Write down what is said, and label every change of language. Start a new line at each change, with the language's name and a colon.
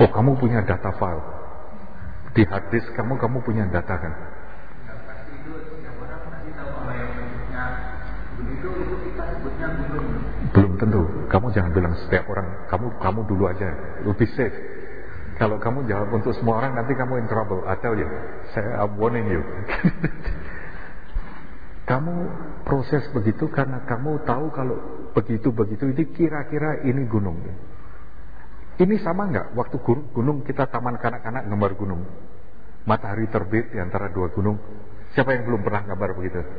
Indonesian: Oh kamu punya data file di hard disk kamu, kamu punya data kan? Pasti itu setiap orang pasti tahu kalau yang namanya itu kita sebutnya gunung. Belum tentu, kamu jangan bilang setiap orang, kamu dulu aja lebih safe. Kalau kamu jawab untuk semua orang, nanti kamu
English: in trouble. I tell you, I'm warning you.
Indonesian: Kamu proses begitu karena kamu tahu kalau begitu-begitu ini kira-kira ini gunung. Ini sama enggak waktu gunung kita taman kanak-kanak gambar gunung. Matahari terbit di antara dua gunung. Siapa yang belum pernah gambar begitu?